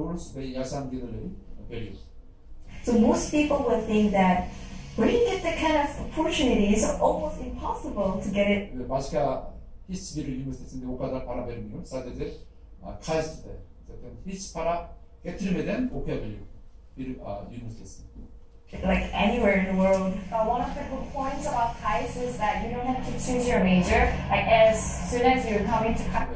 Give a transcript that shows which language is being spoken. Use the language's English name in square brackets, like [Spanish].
[English] So most people will think that when you get that kind of opportunity, it's almost impossible to get it. [Turkish] Hiçbir üniversitesinde o kadar para vermiyor. Sadece Kaiser'de zaten hiç para getirmeden okuyabiliyor bir üniversitesi. [English] Like anywhere in the world. One of the good points about Kaiser is that you don't have to choose your major. Like as soon as you come into Kaiser.